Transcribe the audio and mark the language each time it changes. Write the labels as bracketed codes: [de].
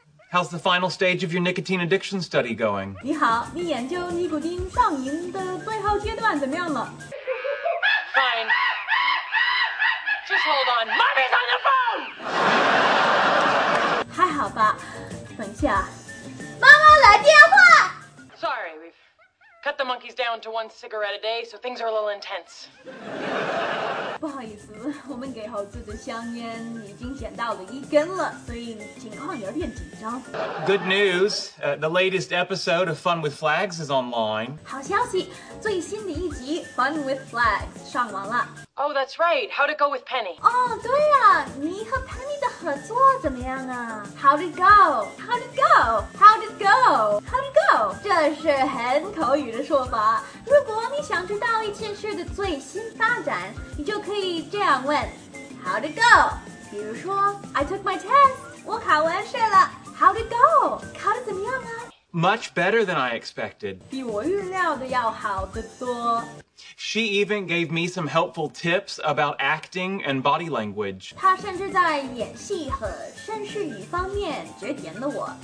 [en] How's the final stage of your nicotine addiction study going? [zh] 你好，你研究尼古丁上瘾的最后阶段怎么样了？ [en] FineJust hold on. Mommy's on the phone! [zh] 还好吧，等一下。妈妈来电话。 [en] Sorry, we've cut the monkeys down to one cigarette a day, so things are a little intense. [zh] 不好意思，我们给猴子的香烟已经减到了一根了，所以情况有点紧张。 [en] Good news, the latest episode of Fun with Flags is online. [zh] 好消息，最新的一集 Fun with Flags 上网了。 [en] Oh, that's right. How'd it go with Penny? [zh] Oh, 对啊，你和 Penny 的合作怎么样啊？ [en] How'd it go? How'd it go? How'd it go? How'd it go? [zh] 这是很口语的说法。如果你想知道一件事的最新发展，你就可以这样问 [en] How'd it go? [zh] 比如说 [en] I took my test. [zh] 我考完试了。 [en] How'd it go? [zh] 考得怎么样啊？ [en] Much better than I expected. [zh] 比我预料的要好得多。 [en] She even gave me some helpful tips about acting and body language. [zh] 她甚至在演戏和绅士语方面指点了我。